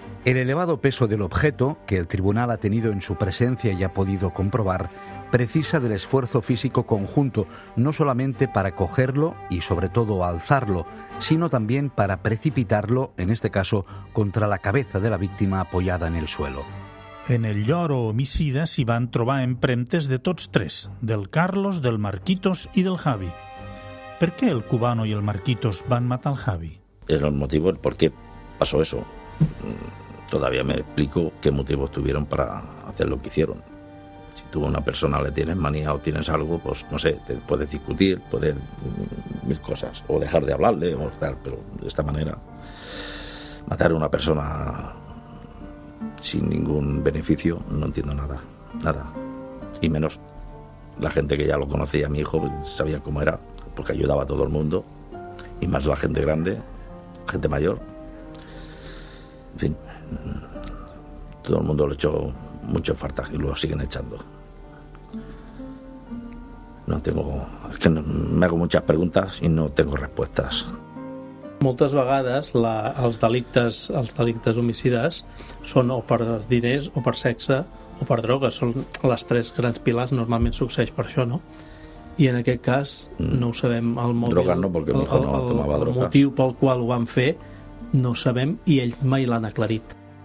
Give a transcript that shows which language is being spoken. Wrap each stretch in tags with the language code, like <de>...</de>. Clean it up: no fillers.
<es>El elevado peso del objeto, que el tribunal ha tenido en su presencia y ha podido comprobar, precisa del esfuerzo físico conjunto, no solamente para cogerlo y sobre todo alzarlo, sino también para precipitarlo, en este caso, contra la cabeza de la víctima apoyada en el suelo.</es> <ca>En el lloro homicida s'hi van trobar empremtes de tots tres, del Carlos, del Marquitos i del Javi.</ca> <es>¿Por qué el cubano y el Marquitos van a matar al Javi? Es el motivo por qué pasó eso. Todavía me explico qué motivos tuvieron para hacer lo que hicieron. Si tú a una persona le tienes manía o tienes algo, pues no sé, te puedes discutir, puedes mil cosas, o dejar de hablarle, o tal, pero de esta manera, matar a una persona sin ningún beneficio, no entiendo nada, nada. Y menos la gente que ya lo conocía, mi hijo, sabía cómo era, porque ayudaba a todo el mundo, y más la gente grande, gente mayor. En fin, todo el mundo le echó mucho falta y lo siguen echando. Es que me hago muchas preguntas y no tengo respuestas.</es> <ca>Moltes vegades els delictes homicides són o per diners o per sexe o per drogues. Són les tres grans pilars, normalment succeeix per això, no? I en aquest cas no ho sabem, el motiu. Drogues no, perquè</ca> <es>mi hijo no tomava</es> <ca>drogues. El motiu pel qual ho van fer no ho sabem i ells mai l'han aclarit.</ca>